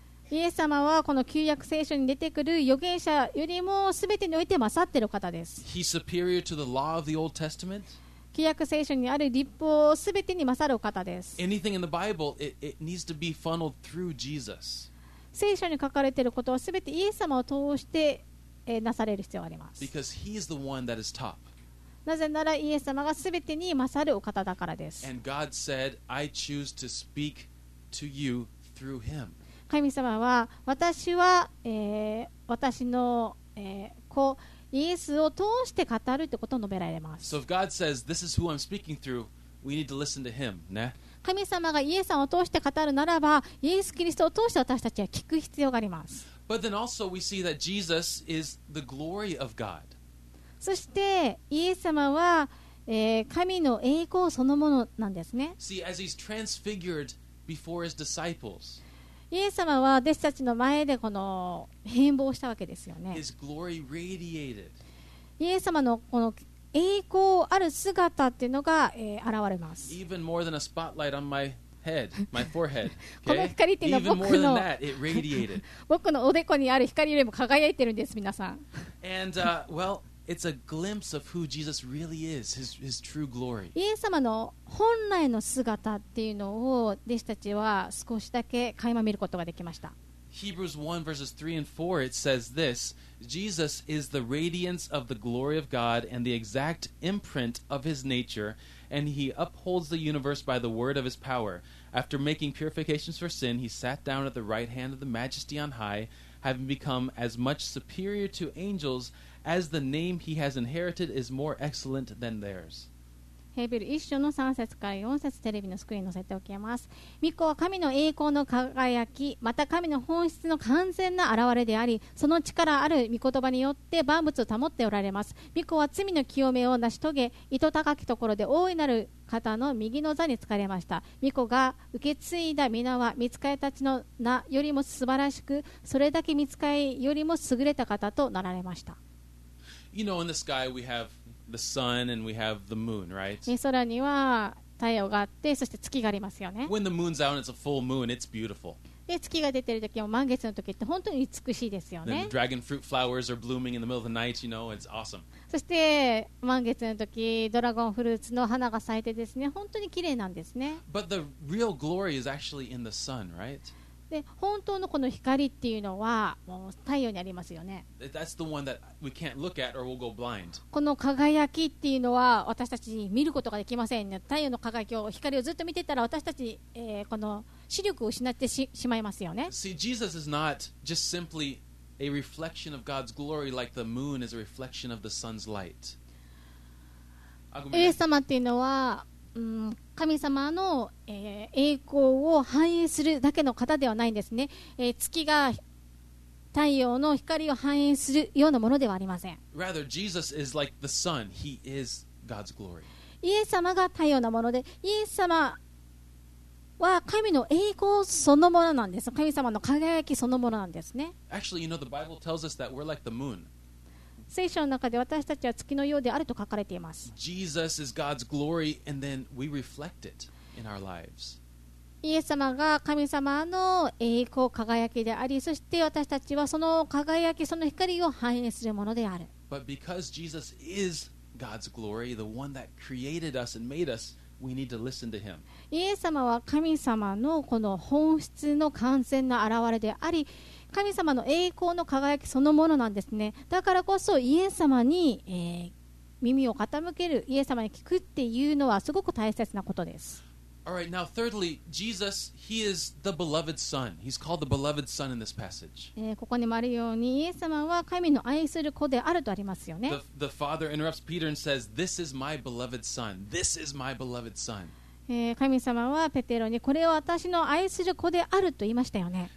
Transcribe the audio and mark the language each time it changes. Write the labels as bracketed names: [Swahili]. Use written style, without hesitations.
[Japanese] イエス様はこの旧約聖書に出てくる預言者よりも全てにおいて勝っているお方です。 [English] He's superior to the law of the Old Testament. [Japanese] 旧約聖書にある律法を全てに勝るお方です。 [English] Anything in the Bible, it needs to be funneled through Jesus. [Japanese] 聖書に書かれていることは全てイエス様を通して、なされる必要があります。 [English] Because he's the one that is top. [Japanese] なぜならイエス様が全てに勝るお方だからです。 [English] And God said, "I choose to speak to you through him." [Japanese] 神様は私は、私の、子イエスを通して語るってことを述べられます。 [English] So if God says, "This is who I'm speaking through," we need to listen to him, ね。 [Japanese] 神様がイエスさんを通して語るならば、イエス・キリストを通して私たちは聞く必要があります。 [English] But then also we see that Jesus is the glory of God. [Japanese] そしてイエス様は、神の栄光そのものなんですね。 [English] See, as he's transfigured before his disciples. [Japanese] イエス様は弟子たちの前でこの変貌したわけですよね。 [English] His glory radiated. [Japanese] イエス様のこの栄光ある姿っていうのが、現れます。 [English] Even more than a spotlight on my head, my forehead. [Japanese] この光っていうのは僕の [English] Even more than that, it radiated. [Japanese] 僕のおでこにある光よりも輝いてるんです、皆さん。 [English] And, well, it's a glimpse of who Jesus really is, his true glory. [Japanese] イエス様の本来の姿っていうのを弟子たちは少しだけ垣間見ることができました。 [English] Hebrews 1 verses 3 and 4, it says this, Jesus is the radiance of the glory of God and the exact imprint of his nature, and he upholds the universe by the word of his power. After making purifications for sin, he sat down at the right hand of the majesty on high, having become as much superior to angels as the name he has inherited is more excellent than theirs. [Japanese] ヘビル1章の3節から4節テレビのスクリーンに載せておきます。御子は神の栄光の輝き、また神の本質の完全な現れであり、その力ある御言葉によって万物を保っておられます。御子は罪の清めを成し遂げ、糸高きところで大いなる方の右の座に着かれました。御子が受け継いだ皆は御使いたちの名よりも素晴らしく、それだけ御使いよりも優れた方となられました。 [English] You know, in the sky we haveThe sun and we have the moon, right? [Japanese] 空には太陽があって、そして月がありますよね。 [English] When the moon's out and it's a full moon, it's beautiful. [Japanese] で、月が出てる時も満月の時って本当に美しいですよね。 [English] The dragon fruit flowers are blooming in the middle of the night, you know, it's awesome. [Japanese] そして満月の時、ドラゴンフルーツの花が咲いてですね、本当に綺麗なんですね。 [English] But the real glory is actually in the sun, right? [Japanese] で、本当のこの光っていうのはもう太陽にありますよね。 [English] That's the one that we can't look at or we'll go blind. [Japanese] この輝きっていうのは私たち見ることができませんね。太陽の輝きを、光をずっと見てたら私たち、この視力を失って しまいますよね。 [English] See, Jesus is not just simply a reflection of God's glory like the moon is a reflection of the sun's light. [Japanese] イエス様っていうのは、神様の、栄光を反映するだけの方ではないんですね、月が太陽の光を反映するようなものではありません。 [English] Rather, Jesus is like the sun. He is God's glory. [Japanese] イエス様が太陽なもので、イエス様は神の栄光そのものなんです。神様の輝きそのものなんですね。 [English] Actually, you know, the Bible tells us that we're like the moon. [Japanese] 聖書の中で私たちは月のようであると書かれています。 [English] Jesus is God's glory, and then we reflect it in our lives. [Japanese] イエス様が神様の栄光輝きであり、そして私たちはその輝き、その光を反映するものである。 [English] But because Jesus is God's glory, the one that created us and made us, we need to listen to him. [Japanese] イエス様は神様のこの本質の完全な現れであり、神様の栄光の輝きそのものなんですね。だからこそイエス様に、耳を傾ける、イエス様に聞くっていうのはすごく大切なことです。 [English] All right, now thirdly, Jesus, he is the beloved son. He's called the beloved son in this passage. [Japanese] ここにもあるようにイエス様は神の愛する子であるとありますよね。 [English] The father interrupts Peter and says, "This is my beloved son. This is my beloved son." [Japanese] 神様はペテロにこれは私の愛する子であると言いましたよね。